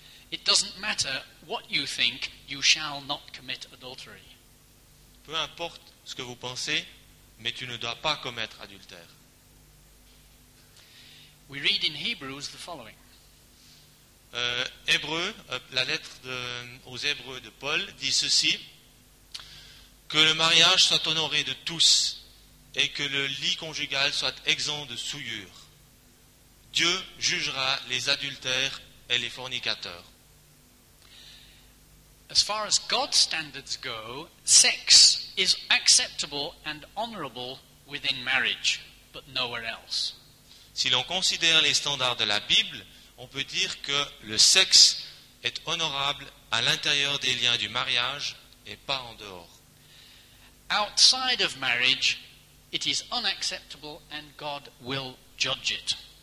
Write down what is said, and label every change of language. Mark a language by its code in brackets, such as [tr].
[en] It doesn't matter what you think, you shall not commit adultery. [fr] Peu importe ce que vous pensez, mais tu ne dois pas commettre adultère. [en] We read in Hebrews the following. [fr] La lettre aux Hébreux de Paul dit ceci, que le mariage soit honoré de tous et que le lit conjugal soit exempt de souillure. Dieu jugera les adultères et les fornicateurs. [en] As far as God's standards go, sex is acceptable and honorable within marriage, but nowhere else. [fr] Si l'on considère les standards de la Bible, on peut dire que le sexe est honorable à l'intérieur des liens du mariage et pas en dehors. [en] Outside of marriage, it is unacceptable and God will judge it.